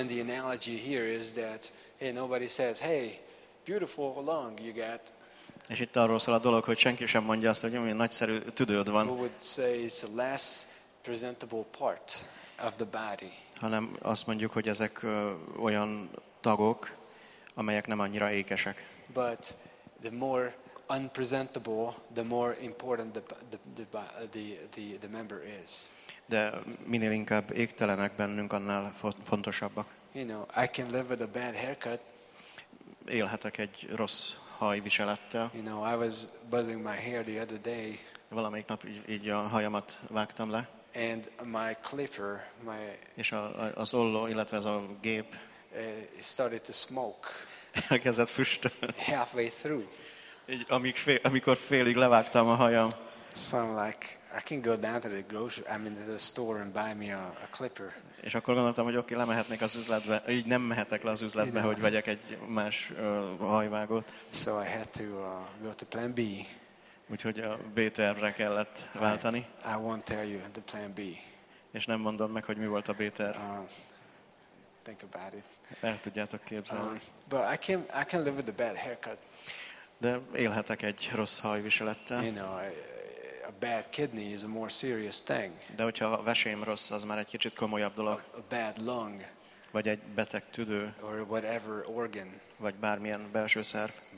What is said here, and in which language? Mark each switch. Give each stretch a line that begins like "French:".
English: And the analogy here is that hey, nobody says, hey, beautiful lung you got.
Hungarian: És itt arról szól a dolog, hogy senki sem mondja azt, hogy milyen nagyszerű tüdőd van.
English: Who would say it's a less presentable part of the body.
Hungarian: Hanem azt mondjuk, hogy ezek olyan tagok, amelyek nem annyira ékesek.
English: But the more unpresentable, the more important the member is.
Hungarian: De minél inkább égtelenek bennünk, annál fontosabbak.
English: You know, I can live with a bad haircut.
Hungarian: Élhetek egy rossz hajviselettel.
English: You know, I was buzzing my hair the other day.
Hungarian: Valamelyik nap így a hajamat vágtam le.
English: And my clipper, my
Hungarian: és az olló, illetve ez a gép
English: started to smoke.
Hungarian: Elkezdett füstölni.
English: Halfway through.
Hungarian: Így, amikor félig levágtam a hajam.
English: So I'm like, I can go down to the grocery, I mean to the store and buy me a clipper.
Hungarian: És akkor gondoltam, hogy oké, lemehetnék az üzletbe, így nem mehetek le az üzletbe,
English: you know,
Hungarian: hogy vegyek egy más hajvágót.
English: So I had to go to plan B.
Hungarian: Úgyhogy a B-tervre kellett váltani.
English: I won't tell you the plan B.
Hungarian: És nem mondom meg, hogy mi volt a B-terv.
English: Think about it.
Hungarian: El tudjátok képzelni.
English: But I can live with a bad haircut.
Hungarian: De élhetek egy rossz hajviselettel.
English: You know, a bad kidney is a more serious thing.
Hungarian: De hogyha a veseim rossz, az már egy kicsit komolyabb dolog.
English: A bad lung.
Hungarian: Vagy egy beteg tüdő.
English: Or whatever organ.
Hungarian: Vagy bármilyen belső szerv.